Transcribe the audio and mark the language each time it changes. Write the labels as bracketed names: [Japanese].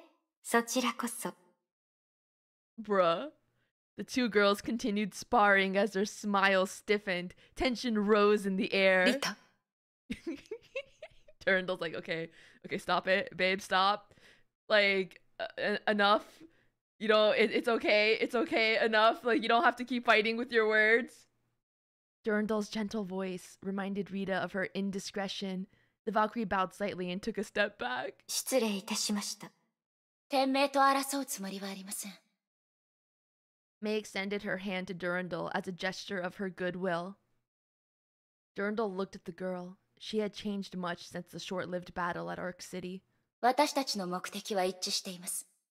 [Japanese] ご厚意感謝するよ。リタさんも身の安全に気をつけるといい。え、そちらこそ。 [English] Bruh. The two girls continued sparring as their smiles stiffened. Tension rose in the air. [Japanese] リタ。 [English] Turndle's like, okay. Okay, stop it. Babe, stop. Like, enough. You know, it's okay enough. Like, you don't have to keep fighting with your words. Durandal's gentle voice reminded Rita of her indiscretion. The Valkyrie bowed slightly and took a step back. [Japanese] 失礼いたしました。天命と争うつもりはありません。 [English] May extended her hand to Durandal as a gesture of her goodwill. Durandal looked at the girl. She had changed much since the short-lived battle at Ark City. [Japanese] 私たちの目的は一致しています。